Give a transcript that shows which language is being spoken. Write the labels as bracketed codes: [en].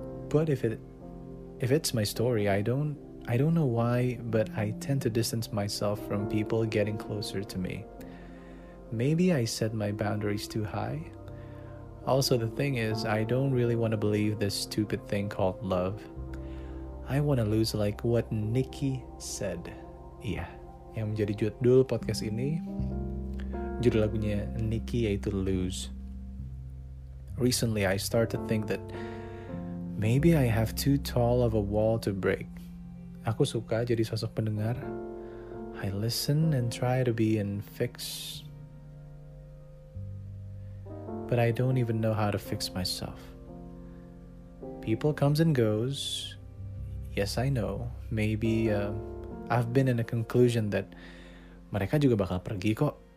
[en] But if it's my story, I don't know why, but I tend to distance myself from people getting closer to me. Maybe I set my boundaries too high. Also, the thing is, I don't really want to believe this stupid thing called love. I want to lose like what Nikki said. [id] Iya, yang menjadi judul podcast ini, judul lagunya Nikki yaitu Lose. [en] Recently, I start to think that maybe I have too tall of a wall to break. [id] Aku suka jadi sosok pendengar. [en] I listen and try to be and fix. But I don't even know how to fix myself. People comes and goes. Yes, I know. Maybe I've been in a conclusion that [id] mereka juga bakal pergi kok.